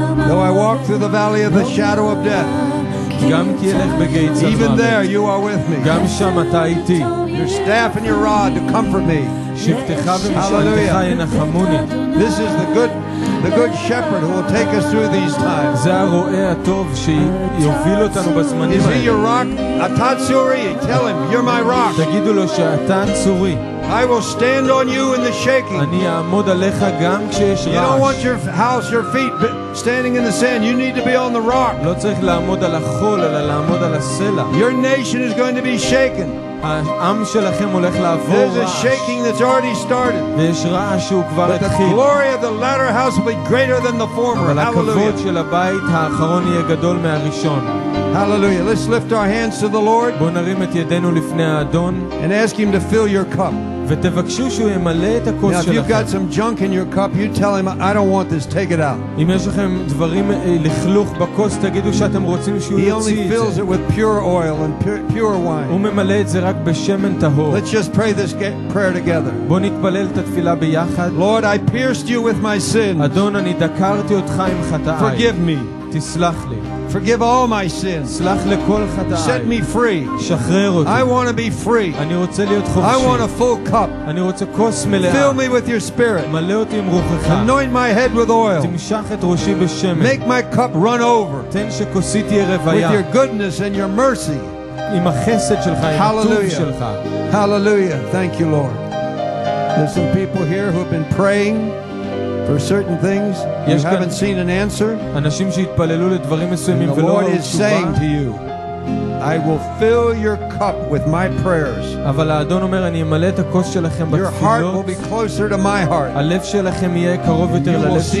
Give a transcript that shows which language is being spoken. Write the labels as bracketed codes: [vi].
[en] Though I walk through the valley of the shadow of death. [he] גם כי אלך בגיהצ מוות. [en] Even there you are with me. [he] גם שם אתה איתי. [en] Your staff and your rod to comfort me. [he] שבטך ומשענתך ינחמוני. [en] This is the good shepherd who will take us through these times. [he] זה הרועה הטוב שיוביל אותנו בזמנים האלה. [en] Is he your rock? [he] אתה צורי. [en] Tell him you're my rock. [he] תגידו לו שאתה צורי. [en] I will stand on you in the shaking. [he] אני אעמוד עליך גם כשיש רעש. [en] You don't want your house, your feet standing in the sand. You need to be on the rock. [he] לא צריך לעמוד על החול, אלא לעמוד על הסלע. [en] Your nation is going to be shaken. [he] העם שלכם הולך לעבור רעש. [en] There's a shaking that's already started. [he] ויש רעש שהוא כבר התחיל. [en] But the glory of the latter house will be greater than the former. [he] אבל הכבוד של הבית האחרון יהיה גדול מהראשון. [en] Hallelujah. Let's lift our hands to the Lord. [he] בוא נרים את ידינו לפני האדון. [en] And ask him to fill your cup. [he] ותבקשו שהוא ימלא את הכוס שלכם. [en] Now, if you've got some junk in your cup, you tell him, I don't want this. Take it out. [he] אם יש לכם דברים לכלוך בכוס, תגידו שאתם רוצים שהוא יוציא את זה. [en] He only fills it with pure oil and pure wine. [he] הוא ממלא את זה רק בשמן טהור. [en] Let's just pray this prayer together. [he] בוא נתפלל את התפילה ביחד. [en] Lord, I pierced you with my sins. [he] אדון, אני דקרתי אותך עם חטאיי. [en] Forgive me. [he] תסלח לי. [en] Forgive all my sins. [he] סלח לכל חטאיי. [en] Set me free. [he] שחרר אותי. [en] I want to be free. [he] אני רוצה להיות חופשי. [en] I want a full cup. [he] אני רוצה כוס מלאה. [en] Fill me with your spirit. [he] מלא אותי עם רוחך. [en] Anoint my head with oil. [he] תמשח את ראשי בשמן. [en] Make my cup run over. [he] תן שכוסי תהיה רוויה. [en] With your goodness and your mercy. [he] עם החסד שלך, עם הטוב שלך. [en] Hallelujah. Thank you, Lord. There's some people here who have been praying for certain things you haven't seen an answer. [he] אנשים שהתפללו לדברים מסוימים ולא תשובה. [en] The Lord is saying to you, I will fill your cup with my prayers. [he] אבל האדון אומר, אני אמלא את הכוס שלכם בתפילות. [en] Your heart will be closer to my heart. [he] הלב שלכם יהיה קרוב יותר ללב שלי.